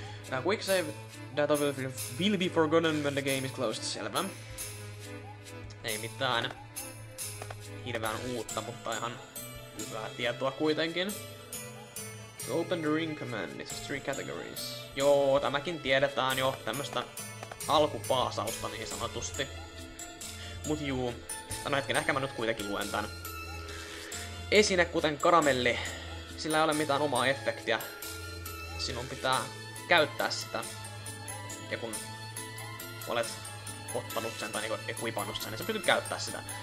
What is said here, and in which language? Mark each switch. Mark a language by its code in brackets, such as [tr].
[en] Now, quicksave data will be forgotten when the game is closed. [fi] Selvä. Ei mitään hirveän uutta, mutta ihan hyvää tietoa kuitenkin. [en] To open the ring command, it's three categories. [fi] Joo, tämäkin tiedetään jo tämmöstä alkupaasausta niin sanotusti. Mut juu, no hetken, ehkä mä nyt kuitenkin luen tän. Esine kuten karamelli, sillä ei ole mitään omaa effektiä. Sinun pitää käyttää sitä. Ja kun olet ottanut sen tai niinku equipannut sen, niin sä pystyt käyttää sitä.